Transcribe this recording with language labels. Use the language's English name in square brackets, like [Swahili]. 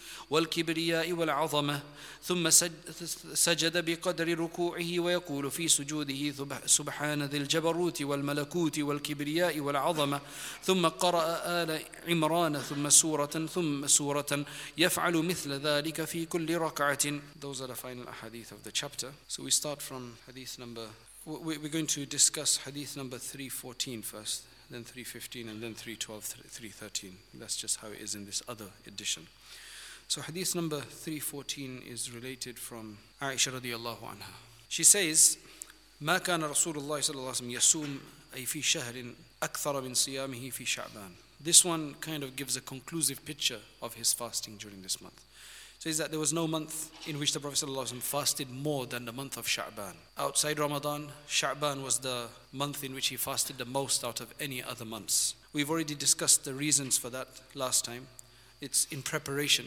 [Arabic] والكبرياء والعظمة ثم سجد بقدر ركوعه ويقول في سجوده سبحان ذي الجبروت والملكوت والكبرياء والعظمة ثم قرأ آل عمران ثم سورة ثم سورة يفعل مثل ذلك في كل ركعة. [English] Those are the final hadith of the chapter. So we start from hadith number, we're going to discuss hadith number 314 first, then 315 and then 312, 313. That's just how it is in this other edition. So hadith number 314 is related from Aisha radiallahu anha. She says, [Arabic] ما كان رسول الله صلى الله عليه وسلم يصوم أي في شهر أكثر من صيامه في شعبان. [English] This one kind of gives a conclusive picture of his fasting during this month. It says that there was no month in which the Prophet sallallahu alaihi wasallam fasted more than the month of Sha'ban. Outside Ramadan, Sha'ban was the month in which he fasted the most out of any other months. We've already discussed the reasons for that last time. It's in preparation.